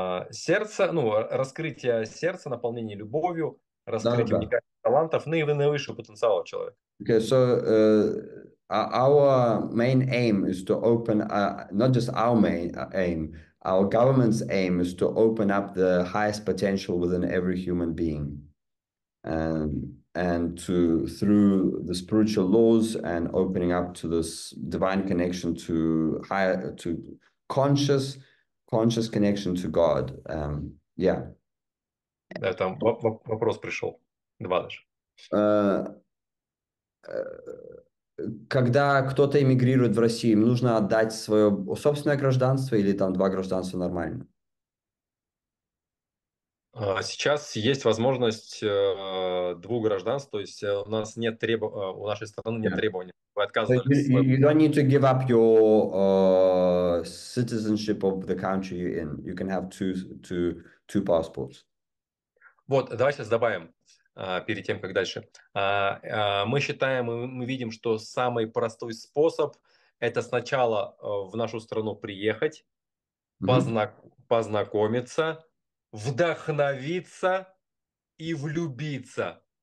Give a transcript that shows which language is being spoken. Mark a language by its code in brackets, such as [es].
[ru] Сердце, ну, раскрытие сердца, наполнение любовью, раскрытие уникальных талантов, ну и наивысшего потенциала человека. [en] Okay, so our main aim is to open, not just our main aim, our government's aim is to open up the highest potential within every human being. And to through the spiritual laws and opening up to this divine connection to higher, to conscious connection to God. Yeah. [ru] Да, там вопрос пришел. Два даже. Когда кто-то эмигрирует в Россию, им нужно отдать свое собственное гражданство или там два гражданства нормально? Сейчас есть возможность двух гражданств, то есть у нас нет у нашей страны нет требований. Вы отказывались. [en] So you don't need to give up your citizenship of the country you're in. You can have two passports. [ru] Вот, давайте сейчас добавим перед тем, как дальше. Мы считаем, мы видим, что самый простой способ – это сначала в нашу страну приехать, познакомиться, вдохновиться и влюбиться.